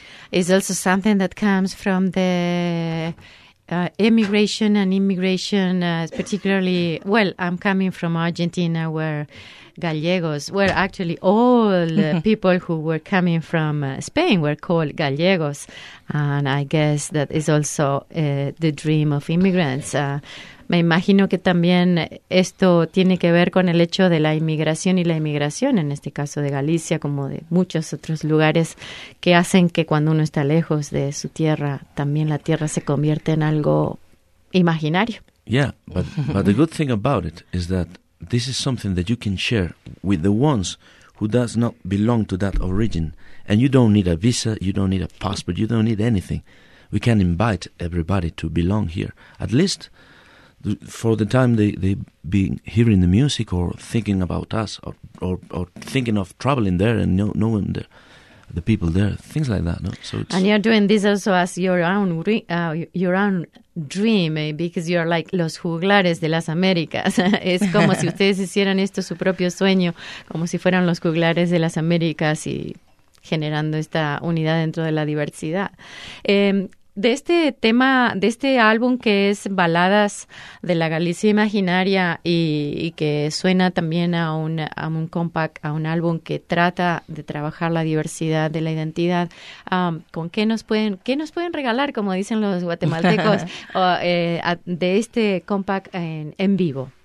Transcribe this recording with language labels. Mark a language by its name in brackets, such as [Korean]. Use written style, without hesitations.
[English] It's also something that comes from the immigration and immigration, particularly, well, I'm coming from Argentina, where Gallegos were actually all people who were coming from Spain were called Gallegos. And I guess that is also the dream of immigrants. [Spanish] Me imagino que también esto tiene que ver con el hecho de la inmigración y la emigración, en este caso de Galicia, como de muchos otros lugares, que hacen que cuando uno está lejos de su tierra, también la tierra se convierte en algo imaginario. [English] Yeah, but the good thing about it is that this is something that you can share with the ones who does not belong to that origin. And you don't need a visa, you don't need a passport, you don't need anything. We can invite everybody to belong here. At least for the time they be hearing the music or thinking about us or thinking of traveling there and knowing the people there, things like that. No? So it's, and you're doing this also as your own dream, because you're like [Spanish] los juglares de las Américas. Es como si ustedes hicieran esto su propio sueño, como si fueran los juglares de las Américas y generando esta unidad dentro de la diversidad. De este tema, de este álbum que es Baladas de la Galicia Imaginaria y que suena también a un compact, a un álbum que trata de trabajar la diversidad de la identidad, ¿con qué nos pueden regalar, como dicen los guatemaltecos, de este compact en vivo?